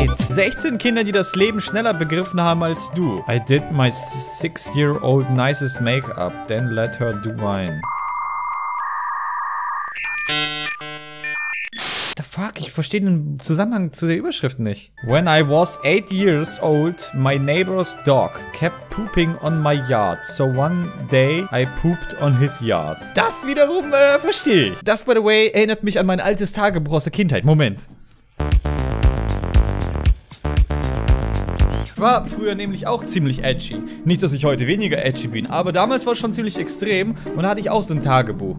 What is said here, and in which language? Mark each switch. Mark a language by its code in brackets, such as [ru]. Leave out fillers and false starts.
[de] 16 Kinder, die das Leben schneller begriffen haben als du. [en] I did my 6-year-old nicest makeup, then let her do mine. What the fuck? [de] Fuck, ich verstehe den Zusammenhang zu der Überschrift nicht. [en] When I was 8 years old, my neighbor's dog kept pooping on my yard. So one day I pooped on his yard. [de] Das wiederum verstehe ich. Das, [en] by the way, [de] erinnert mich an mein altes Tagebuch aus der Kindheit. Moment. Ich war früher nämlich auch ziemlich edgy. Nicht, dass ich heute weniger edgy bin, aber damals war es schon ziemlich extrem und da hatte ich auch so ein Tagebuch.